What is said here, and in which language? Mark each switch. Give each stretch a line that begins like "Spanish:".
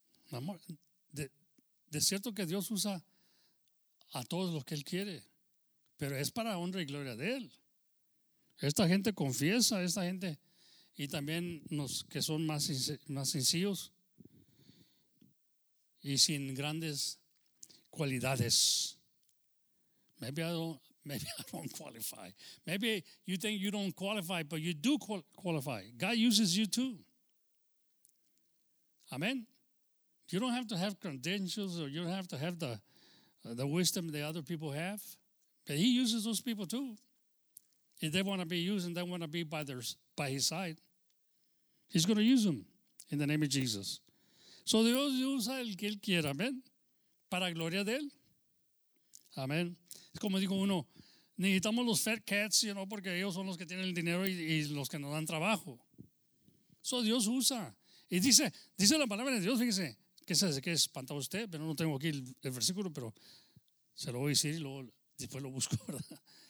Spanish: Amor, de cierto que Dios usa a todos los que Él quiere, pero es para honra y gloria de Él. Esta gente confiesa, esta gente, y también los que son más sencillos y sin grandes cualidades.
English: Maybe I don't qualify. Maybe you think you don't qualify, but you do qualify. God uses you too. Amen. You don't have to have credentials, or you don't have to have the wisdom the other people have. But he uses those people too. If they want to be used and they want to be by his side, he's going to use them in the name of Jesus.
Spanish: So Dios usa el que él quiera, amén, para gloria de él. Amén. Es como digo uno, necesitamos los
English: fat cats, you know,
Spanish: porque ellos son los que tienen el dinero y los que nos dan trabajo. So Dios usa. Y dice la palabra de Dios, fíjese, que se hace que espanta usted, pero no tengo aquí el versículo, pero se lo voy a decir y luego después lo busco, ¿verdad?